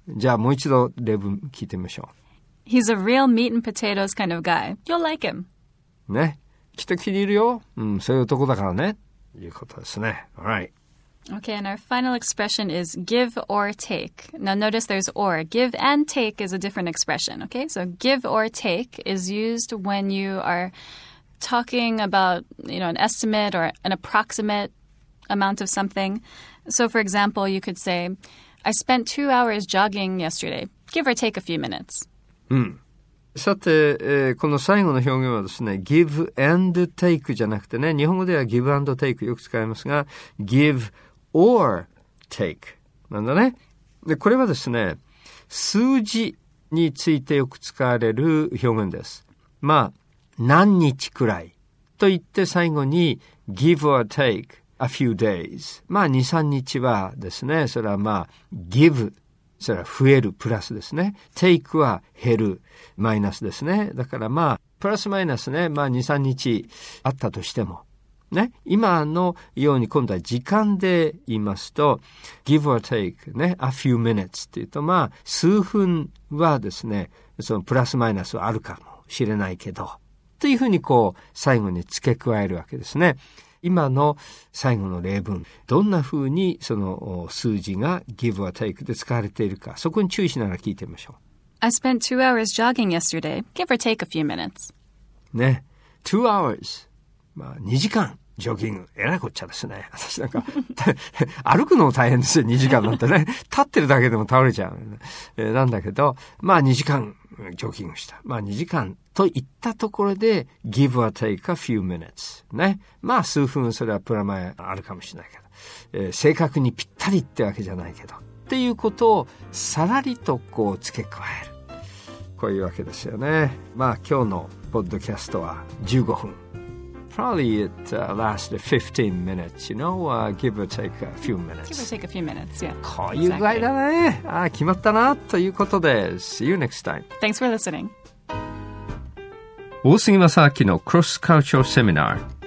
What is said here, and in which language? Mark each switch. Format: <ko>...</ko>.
<ja>じゃあもう一度例文聞いてみましょう。</ja> <en>He's a real meat and potatoes kind of guy. You'll like him.</en> <ja>ね、きっと気に入るよ、うん、そういう男だからね、いうことですね。</ja> <en>Alright. Okay, and our final expression is give or take. Now notice there's or. Give and take is a different expression, okay? So give or take is used when you are talking about, you know, an estimate or an approximate amount of something. So for example, you could say, I spent 2 hours jogging yesterday. Give or take a few minutes. Mm.</en> <ja>さて、この最後の表現はですね、give and take じゃなくてね、日本語では give and take よく使いますが、</ja> <en>give or take</en> <ja>なんだね。で、これはですね、数字についてよく使われる表現です。まあ、何日くらいと言って最後に</ja> <en>give or take a few days。</en> <ja>まあ、2、3日はですね、それはまあ、give。それは増えるプラスですね。take は減るマイナスですね。だからまあ、プラスマイナスね、まあ、2、3日あったとしても。ね、今のように今度は時間で言いますと</ja> <en>give or take、</en> <ja>ね、</ja> <en>a few minutes</en> <ja>というと、まあ、数分はですね、そのプラスマイナスはあるかもしれないけどというふうにこう最後に付け加えるわけですね。今の最後の例文、どんなふうにその数字が</ja> <en>give or take</en> <ja>で使われているか、そこに注意しながら聞いてみましょう。</ja> <en>I spent 2 hours jogging yesterday. Give or take a few minutes.</en> <ja>ね、</ja> <en>2 hours、</en> <ja>まあ、2時間ジョギング、えらいこっちゃですね。私なんか歩くのも大変ですよ、2時間なんてね、立ってるだけでも倒れちゃう、なんだけど、まあ2時間ジョギングした、まあ2時間といったところで</ja> <en>give or take a few minutes</en> <ja>ね、まあ数分、それはプラマイあるかもしれないけど、正確にぴったりってわけじゃないけどっていうことをさらりとこう付け加える、こういうわけですよね。まあ今日のポッドキャストは15分、</ja> <en>Probably it lasted 15 minutes, you know, give or take a few minutes. Give or take a few minutes, yeah.</en> <ja>こういう具合だね。ああ、決まったなということで、</ja> <en>See you next time. Thanks for listening.</en> <ja>大杉正明のクロスカルチャルセミナー。</ja>